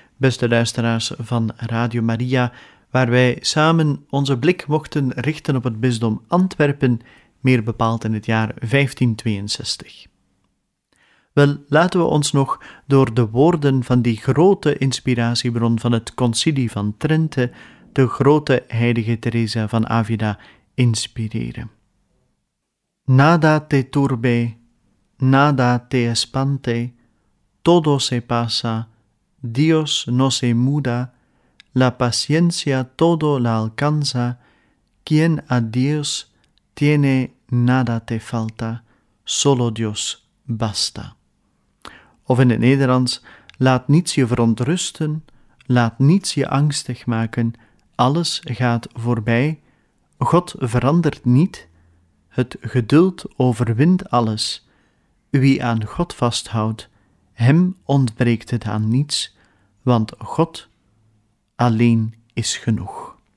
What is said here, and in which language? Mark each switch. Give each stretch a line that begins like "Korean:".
Dutch: beste luisteraars van Radio Maria, waar wij samen onze blik mochten richten op het bisdom Antwerpen, meer bepaald in het jaar 1562. Wel, laten we ons nog door de woorden van die grote inspiratiebron van het Concilie van Trente, de grote heilige Teresa van Avila, inspireren.
Spanish: Nada te turbe, nada te espante, todo se pasa, Dios no se muda, la paciencia todo la alcanza, quien a Dios tiene nada te falta, solo Dios basta.
Dutch: Of in het Nederlands, laat niets je verontrusten, laat niets je angstig maken, alles gaat voorbij, God verandert niet, het geduld overwint alles. Wie aan God vasthoudt, hem ontbreekt het aan niets, want God alleen is genoeg.